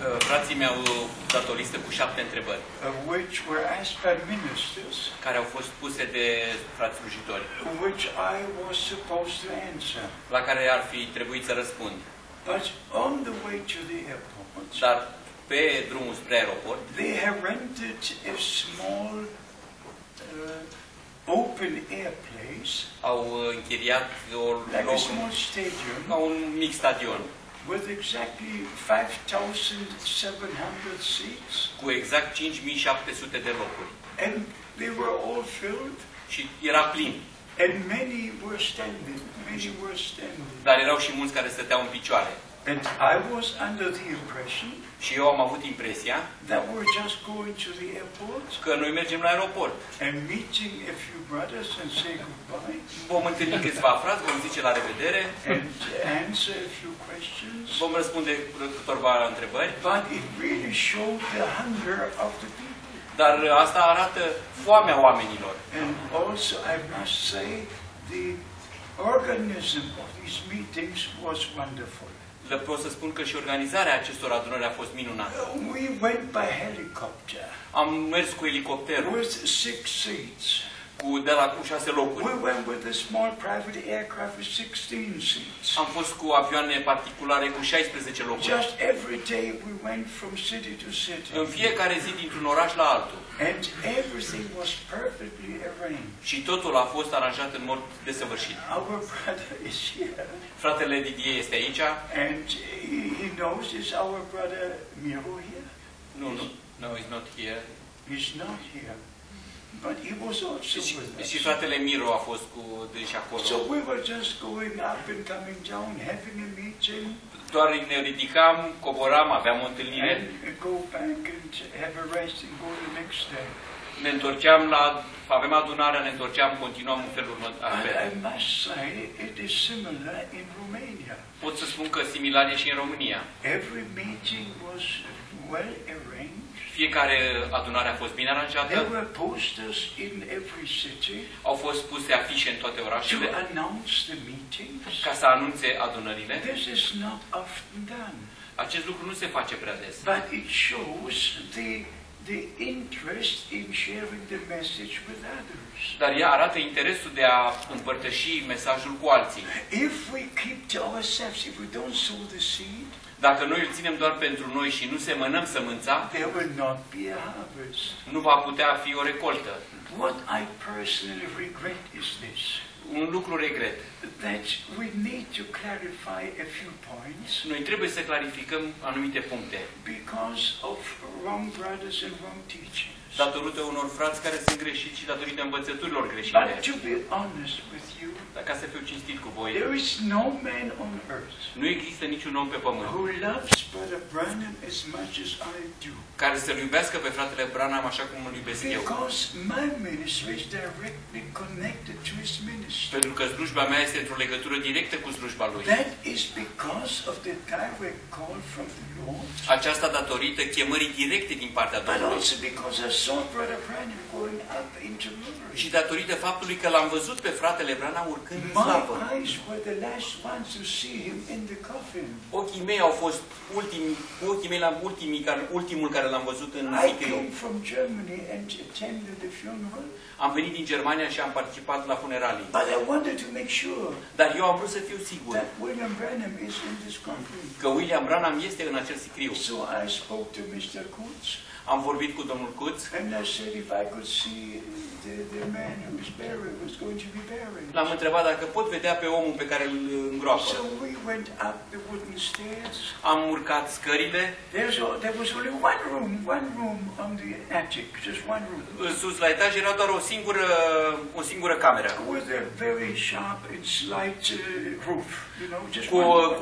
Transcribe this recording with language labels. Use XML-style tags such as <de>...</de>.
<ro>Frații mi-au dat o listă cu 7 întrebări,</ro> <en>which were asked by ministers,</en> <ro>care au fost puse de frați slujitori,</ro> <en>which I was supposed to answer,</en> <ro>la care ar fi trebuit să răspund.</ro> <en>But on the way to the airport,</en> <ro>dar pe drumul spre aeroport,</ro> <en>they have rented a small open air place,</en> <ro>au închiriat o</ro> <en>like</en> <ro>loc,</ro> <en>a small stadium,</en> <ro>ca un mic stadion,</ro> <en>with exactly 5,700 seats,</en> <ro>cu exact 5,700 de locuri.</ro> <en>And they were all filled,</en> <ro>și era plin.</ro> <en>And many were standing, many were standing.</en> <ro>Dar erau și mulți care stăteau în picioare.</ro> <en>And I was under the impression,</en> <ro>și eu am avut impresia,</ro> <en>that we're just going to the airport,</en> <ro>că noi mergem la aeroport.</ro> <en>And meeting a few brothers and say goodbye.</en> <ro>Vom întâlni câțiva frați, vom zice la revedere.</ro> <en>And answer a few questions.</en> <ro>Vom răspunde câteva întrebări.</ro> <en>But it really showed the hunger of the people.</en> <ro>Dar asta arată foamea oamenilor.</ro> <en>And also I must say the organism of these meetings was wonderful.</en> <ro>Le pot să spun că și organizarea acestor adunări a fost minunată.</ro> <en>We went by helicopter.</en> <ro>Am mers cu elicopterul.</ro> <en>With 6 seats.</en> <ro>Cu de la cu 6 locuri.</ro> <en>We went with a small private aircraft with 16 seats.</en> <ro>Am fost cu avioane particulare cu 16 locuri.</ro> <en>Just every day we went from city to city.</en> <ro>În fiecare zi dintr-un oraș la altul.</ro> <en>And everything was perfectly arranged.</en> <ro>Și totul a fost aranjat în mod desăvârșit.</ro> <en>Our brother is here.</en> <ro>Fratele Didier este aici.</ro> <en>And he knows, is our brother Miro here? No, he's not here. He's not here. But he was also with us.</en> <ro>Și fratele Miro a fost cu deși acolo.</ro> <en>So we were just going up and coming down, having a meeting.</en> <ro>Doar ne ridicam, coboram, aveam o întâlnire.</ro> <en>And go back and have a rest and go the next day.</en> <ro>Ne întorceam la, avem adunarea, ne întorceam, continuăm în felul următor.</ro> <en>I must say, it is similar in Romania.</en> <ro>Pot să spun că similar e și în România.</ro> <en>Every meeting was well arranged.</en> <ro>Fiecare adunare a fost bine aranjată.</ro> <en>There were posters in every city.</en> <ro>Au fost puse afișe în toate orașele.</ro> <en>To announce the meetings.</en> <ro>Ca să anunțe adunările.</ro> <en>This is not often done.</en> <ro>Acest lucru nu se face prea des.</ro> <en>But it shows the interest in sharing the message with others.</en> <ro>Dar ea arată interesul de a împărtăși mesajul cu alții.</ro> <en>If we keep to ourselves, if we don't sow the seed,</en> <ro>dacă noi îl ținem doar pentru noi și nu semănăm sămânța,</ro> <en>there will not be a harvest.</en> <ro>Nu va putea fi o recoltă.</ro> <en>What I personally regret is this.</en> <ro>Un lucru regret.</ro> <en>That we need to clarify a few points.</en> <ro>Noi trebuie să clarificăm anumite puncte.</ro> <en>Because of wrong brothers and wrong teachings.</en> <ro>Datorită unor frați care sunt greșiți și datorită învățăturilor greșite.</ro> <en>But to be honest with you,</en> <ro>dacă să fiu cinstit cu voi,</ro> <en>there is no man on earth,</en> <ro>nu există niciun om pe pământ,</ro> <en>who loves Brother Branham as much as I do,</en> <ro>care să-l iubească pe fratele Branham așa cum îl iubesc</ro> <en>because</en> <ro>eu.</ro> <en>Because my ministry is directly connected to his ministry.</en> <ro>Pentru că slujba mea este într-o legătură directă cu slujba lui.</ro> <en>That is because of the direct call from the Lord.</en> <ro>Aceasta datorită chemării directe din partea Domnului.</ro> <en>But also because I saw Brother Branham going up into glory.</en> <ro>Și datorită faptului că l-am văzut pe fratele Branham urcând în slavă.</ro> <en>My eyes were the last ones to see him in the coffin.</en> <ro>Ochii mei au fost ultimii, ochii mei l-am ultimii care ultimul care l-am văzut în sicriu.</ro> <en>I came from Germany and attended the funeral.</en> <ro>Am venit din Germania și am participat la funeralii.</ro> <en>But I wanted to make sure.</en> <ro>Dar eu am vrut să fiu sigur.</ro> <en>That William Branham is in this coffin.</en> <ro>Că William Branham este în acel sicriu.</ro> <en>So I spoke to Mr. Kutz.</en> <ro>Am vorbit cu domnul Kutz.</ro> <en>And I said if I could see the man who was buried was going to be buried.</en> <ro>L-am întrebat dacă pot vedea pe omul pe care îl îngroapă.</ro> <en>So we went up the wooden stairs.</en> <ro>Am urcat scările.</ro> <en>There was only one room on the attic, just one room.</en> <ro>În sus la etaj era doar o singură cameră.</ro> <en>With a very sharp and slight roof, you know, just</en>